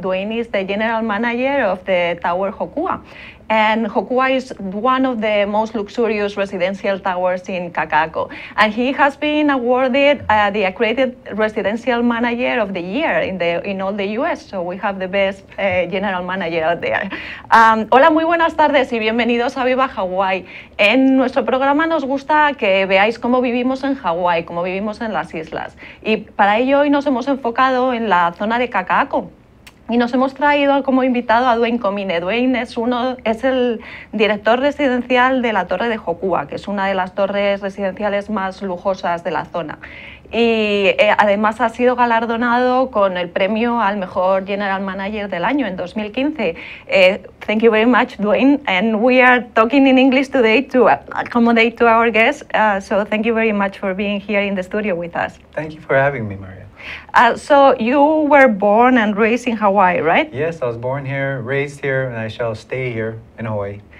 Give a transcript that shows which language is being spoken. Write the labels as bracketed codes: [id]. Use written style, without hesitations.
[en] Duane is the general manager of the Tower Hokua. And Hokua is one of the most luxurious residential towers in Kakaako. And he has been awarded the accredited residential manager of the year in all the US. So we have the best general manager out there. [es] Hola, muy buenas tardes y bienvenidos a Viva Hawaii. En nuestro programa nos gusta que veáis cómo vivimos en Hawaii, cómo vivimos en las islas. Y para ello hoy nos hemos enfocado en la zona de Kakaako. Y nos hemos traído como invitado a Duane Komine. Duane es el director residencial de la Torre de Hokua, que es una de las torres residenciales más lujosas de la zona. Y además ha sido galardonado con el premio al mejor [en] general manager [es] del año en 2015. [en] Thank you very much, Duane. And we are talking in English today to accommodate to our guests. So thank you very much for being here in the studio with us. Thank you for having me, Maria. So you were born and raised in Hawaii, right? Yes, I was born here, raised here, and I shall stay here in Hawaii.